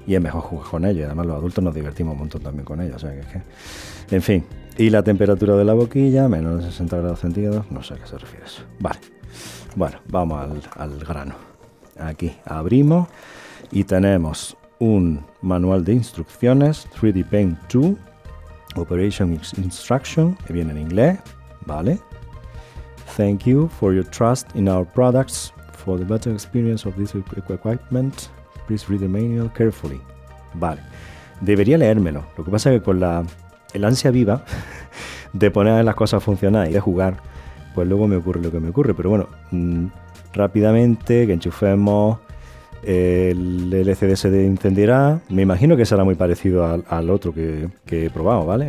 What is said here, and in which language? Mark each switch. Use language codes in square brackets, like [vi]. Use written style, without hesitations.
[es] Y es mejor jugar con ellos. Además, los adultos nos divertimos un montón también con ellos. O sea, que... En fin. Y la temperatura de la boquilla, menos de 60 grados centígrados. No sé a qué se refiere eso. Vale. Bueno, vamos al grano. Aquí abrimos y tenemos un manual de instrucciones. 3D Paint 2. [en] Operation Instruction. [es] Que viene en inglés. Vale. [en] Thank you for your trust in our products. For the better experience of this equipment. Please read the manual carefully. [es] Vale. Debería leérmelo. Lo que pasa es que con el ansia viva de poner las cosas a funcionar y de jugar, pues luego me ocurre lo que me ocurre. Pero bueno, rápidamente que enchufemos, el LCD se encenderá. Me imagino que será muy parecido al otro que he probado, ¿vale?